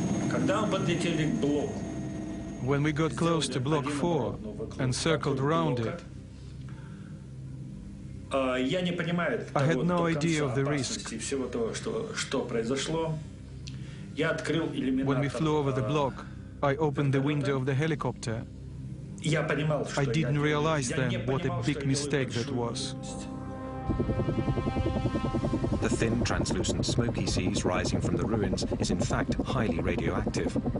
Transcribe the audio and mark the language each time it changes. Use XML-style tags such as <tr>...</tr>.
<ru>Когда мы подлетели к блоку?</ru> <en>When we got close to block 4 and circled around it,</en> <ru>я не понимаю того,</ru> <en>I had no idea of the risk.</en> <ru>Всего того, что произошло. Я открыл иллюминатор.</ru> <en>When we flew over the block, I opened the window of the helicopter. I didn't realize then what a big mistake that was. The thin, translucent, smoky seas rising from the ruins is in fact highly radioactive.</en>